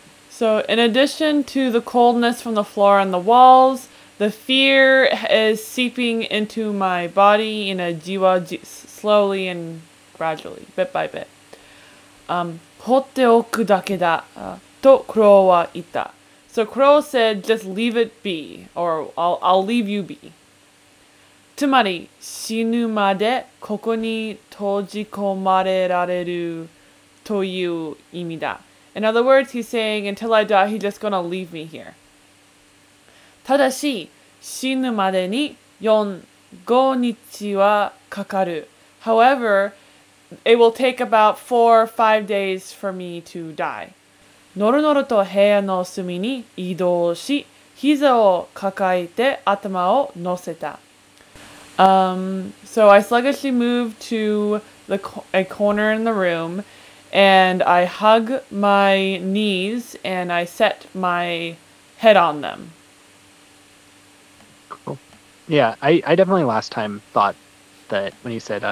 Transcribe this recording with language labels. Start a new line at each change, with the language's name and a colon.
English: So, in addition to the coldness from the floor and the walls, the fear is seeping into my body in a slowly and gradually, bit by bit.
Japanese: 放っておくだけだ、とクロウは言った。
English: So Crow said, just leave it be, or I'll leave you be.
Japanese: つまり、死ぬまでここに閉じ込まれられるという意味だ。
English: In other words, he's saying, until I die, he's just gonna leave me here.
Japanese: ただし、死ぬまでに4-5日はかかる。
English: However, it will take about 4-5 days for me to die.
Japanese: ノロノロと部屋の隅に移動し、膝を抱えて頭を乗せた。
English: So I sluggishly moved to a corner in the room, and I hug my knees, and I set my head on them. Cool. Yeah, I definitely last time thought that when he said,